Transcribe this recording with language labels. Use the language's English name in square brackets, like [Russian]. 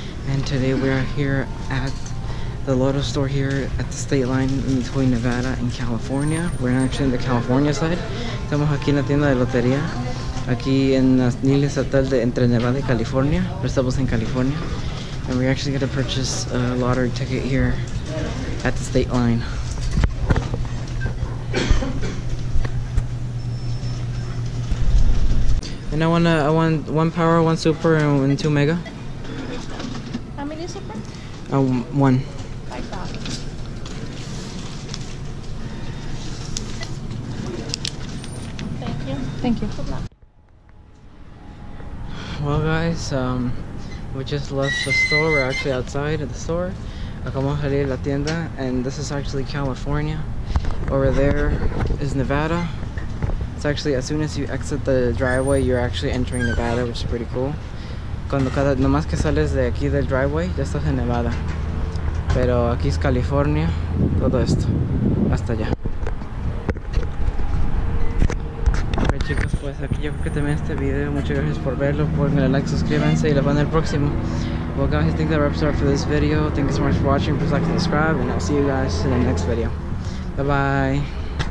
[English] And today we are here at the Lotto Store here at the state line in between Nevada and California. We're actually in the California side. [Spanish] Estamos aquí en la tienda de lotería. Aquí en la línea estatal de entre Nevada y California. Estamos en California. [English] And we're actually going to purchase a lottery ticket here at the state line. And I want one power, one super, and two mega. How many super? One. Thank you. Well, guys, we just left the store. We're actually outside of the store. [Spanish] Acabamos de salir la tienda, [English] and this is actually California. Over there is Nevada. Actually, as soon as you exit the driveway, you're actually entering Nevada, which is pretty cool. [Spanish] Cuando cada nomás que sales de aquí del driveway, ya estás en Nevada. Pero aquí es California, todo esto, hasta allá. Ok, chicos, pues aquí yo creo que terminé este video. Muchas gracias por verlo, pónganle like, suscríbanse y lo van al próximo. [English] Well, guys, I think that wraps up for this video. Thank you so much for watching. Please like and subscribe, and I'll see you guys in the next video. Bye bye.